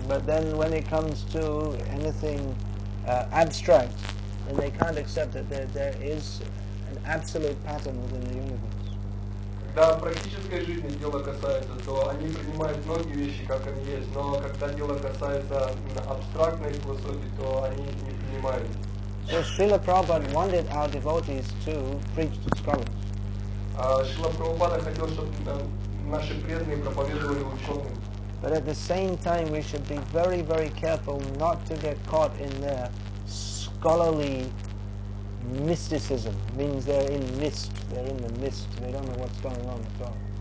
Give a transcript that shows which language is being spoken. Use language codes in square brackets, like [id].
[en] But then, when it comes to anything abstract, then they can't accept that there is an absolute pattern within the universe. [ru] Когда в практической жизни дело касается, то они принимают многие вещи, как они есть. Но когда дело касается абстрактной философии, то они не принимают. [en] So Srila Prabhupada wanted our devotees to preach to scholars. [ru] Шрила Прабхупада хотел, чтобы наши преданные проповедовали ученым. [en] But at the same time, we should be very, very careful not to get caught in their scholarly mysticism. It means they're in mist. They're in the mist. They don't know what's going on at all.